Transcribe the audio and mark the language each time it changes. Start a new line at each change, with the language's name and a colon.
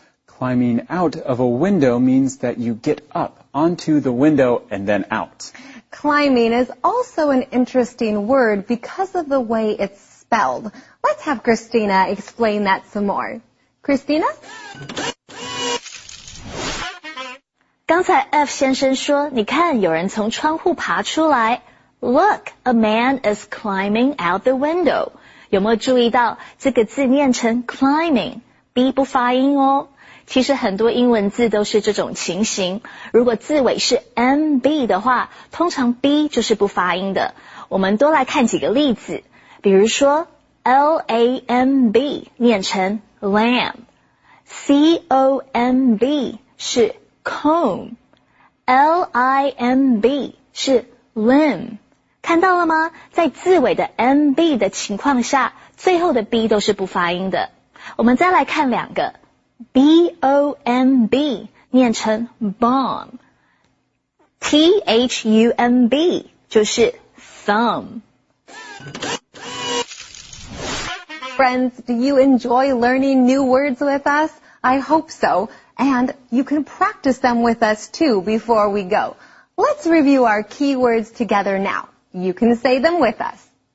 English: Climbing out of a window means that you get up onto the window and then out. Climbing is also an interesting word because of the way it's spelled. Let's have Christina explain that some more. Christina?
Chinese: 刚才F先生说,你看有人从窗户爬出来。
English: Look, a man is climbing out the window.
Chinese: 有没有注意到这个字念成 climbing, B 不发音哦。其实很多英文字都是这种情形。如果字尾是 MB 的话，通常 B 就是不发音的。我们多来看几个例子，比如说 LAMB 念成 lamb， COMB 是 comb， LIMB 是 limb。看到了吗？在字尾的 MB 的情况下，最后的 B 都是不发音的。我们再来看两个， BOMB 念成 bomb， THUMB 就是 thumb。
English: Friends, do you enjoy learning new words with us? I hope so. And you can practice them with us too before we go. Let's review our key words together now. You can say them with us.